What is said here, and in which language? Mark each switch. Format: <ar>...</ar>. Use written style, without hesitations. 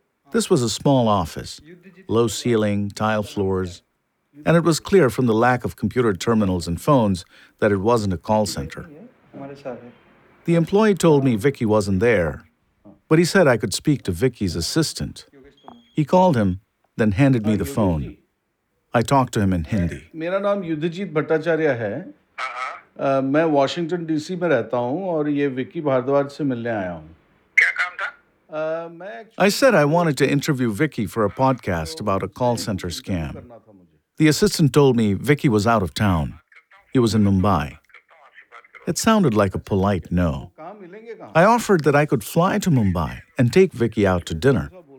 <en>This was a small office, low ceiling, tile floors, and it was clear from the lack of computer terminals and phones that it wasn't a call center. The employee told me Vicky wasn't there, but he said I could speak to Vicky's assistant. He called him, then handed me the phone. I talked to him in Hindi. My name is Yudhijit Bhattacharya.</en> <hi>मैं Washington DC में रहता हूं और ये विक्की भारद्वाज से मिलने आया हूं क्या काम था</hi> <en>I said I wanted to interview Vicky for a podcast about a call center scam. The assistant told me Vicky was out of town. He was in Mumbai. It sounded like a polite no. I offered that I could fly to Mumbai and take Vicky out to dinner.</en>